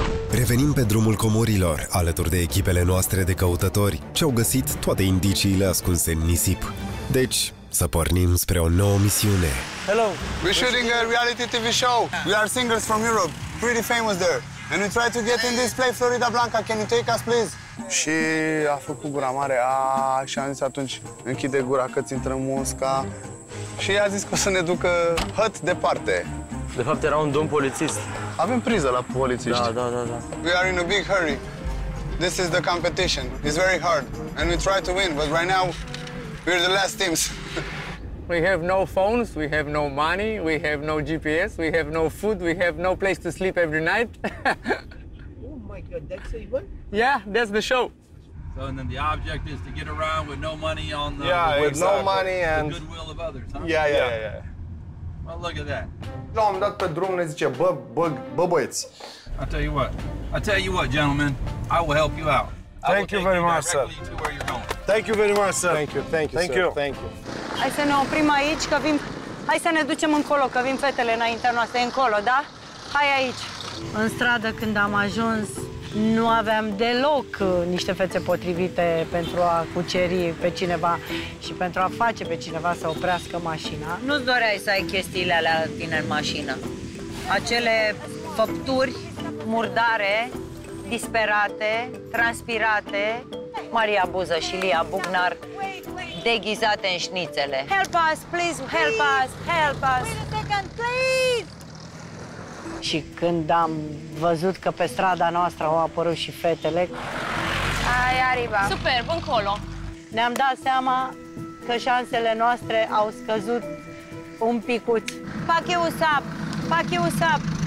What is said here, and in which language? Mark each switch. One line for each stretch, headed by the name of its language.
Romanian: Revenim pe drumul comorilor, alături de echipele noastre de căutători, ce au găsit toate indiciile ascunse în nisip. Deci, să pornim spre o nouă misiune.
English: Hello. We're shooting a reality TV show. We are singers from Europe, pretty famous there. And we try to get in this play, Florida Blanca. Can you take us, please?
Romanian: Și a făcut gura mare, a, și am zis atunci, închide gura că ți intră musca. Și a zis că o să ne ducă hăt departe. De fapt, era un domn polițist. Avem priză la polițiști. Da.
English: We are in a big hurry. This is the competition. It's very hard. And we try to win, but right now, we're the last teams. We have no phones, we have no money, we have no GPS, we have no food, we have no place to sleep every night. Oh my God, that's even? Yeah, that's the show. So, and then the object is to get around with no money on the... Yeah, with exactly. No money and... The goodwill of others, huh? Yeah. Well, look at that.
Romanian: L-am dat pe drum, ne zice, bă, băieți.
English: I'll tell you what, gentlemen, I will help you out. Thank you very much, sir. Thank you very much, sir. Thank you, sir. Thank you.
Romanian: Hai să ne oprim aici, că vin Hai să ne ducem încolo, că vin fetele înaintea noastră, încolo, da? Hai aici. În stradă, când am ajuns, nu aveam deloc niște fețe potrivite pentru a cuceri pe cineva și pentru a face pe cineva să oprească mașina. Nu-ți doreai să ai chestiile alea tine în mașină? Acele făpturi murdare, disperate, transpirate, Maria Buză și Lia Bugnar, deghizate în șnițele.
English: Help us, please, help us, help us. Wait a second, please.
Romanian: Și când am văzut că pe strada noastră au apărut și fetele...
Spanish: Ai arriba.
Romanian: Superb, încolo. Ne-am dat seama că șansele noastre au scăzut un picuț. Fac eu sap, fac eu sap.